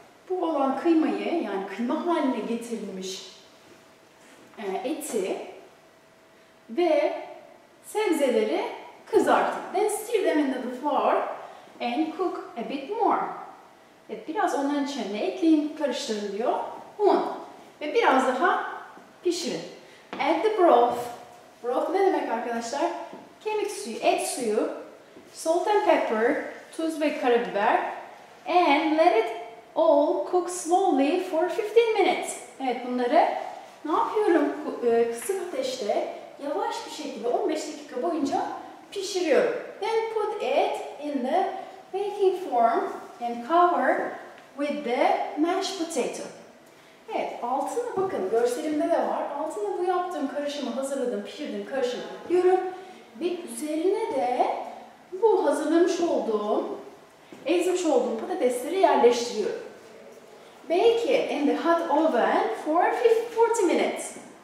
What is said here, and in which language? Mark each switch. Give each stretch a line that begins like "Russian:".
Turkish: Bu olan kıymayı, yani kıyma haline getirilmiş eti ve sebzeleri kızartın.
English: Then stir them into the flour and cook a bit more.
Turkish: Evet, biraz onların içine ne ekleyin, karıştırın diyor. Un. Ve biraz daha pişirin.
English: Add the broth. Broth
Turkish: ne demek arkadaşlar? Kemik suyu, et suyu,
English: salt and pepper,
Turkish: tuz ve karabiber
English: and let it all cook slowly for 15 minutes.
Turkish: Evet, bunları ne yapıyorum? Kısık ateşte yavaş bir şekilde 15 dakika boyunca pişiriyorum.
English: Then put it in the baking form and cover with the mashed potato.
Turkish: Evet, altına bakın, görselimde de var. Altına bu yaptığım karışımı hazırladım, pişirdim, karışımı yapıyorum. Ve üzerine de bu hazırlamış olduğum, ezmiş olduğum patatesleri yerleştiriyorum.
English: Bake it in the hot oven for 40 minutes.